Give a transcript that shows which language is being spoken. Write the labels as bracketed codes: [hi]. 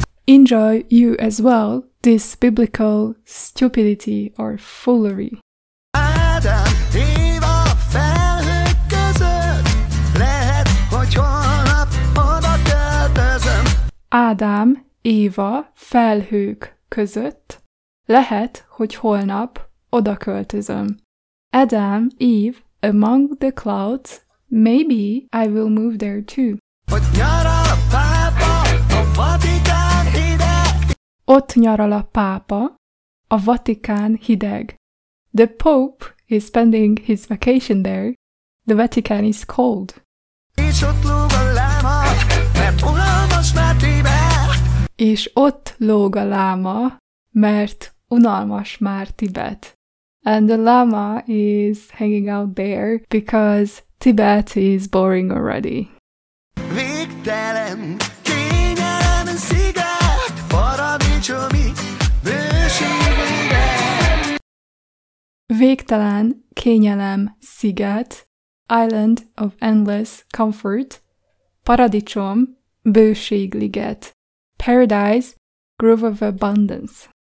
[en] Enjoy you as well this biblical stupidity or foolery. [hu] Ádám, Éva felhők között, lehet, hogy holnap oda költözöm. Ádám, Éva felhők között. Lehet, hogy holnap oda költözöm. [en] Adam, Eve, among the clouds, maybe I will move there too. [hu] Ott nyara pápa, a Vatikán hideg. Ott nyaral a pápa, a Vatikán hideg. [en] The Pope is spending his vacation there. The Vatican is cold. [hu] És ott lóg a láma, mert unalmas már Tibet. És ott lóg a láma, mert unalmas már Tibet. [en] And the llama is hanging out there because Tibet is boring already. [hu] Végtelen, kényelem sziget, paradicsomi bőségben. Végtelen, kényelem sziget, [en] island of endless comfort, [hu] paradicsom, bőségliget, [en] paradise, grove of abundance.